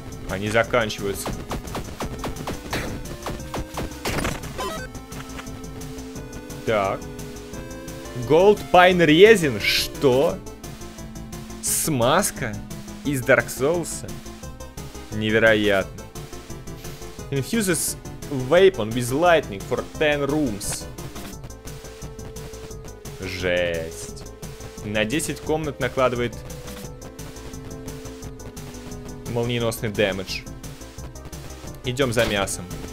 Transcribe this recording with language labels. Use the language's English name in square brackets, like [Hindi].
[Russian] Они заканчиваются. Так. Gold Pine Resin. Что? Смазка из Dark Souls. Невероятно. [English] Infuses weapon with lightning for 10 rooms. [Russian] Жесть. На 10 комнат накладывает молниеносный дэмэдж. Идем за мясом.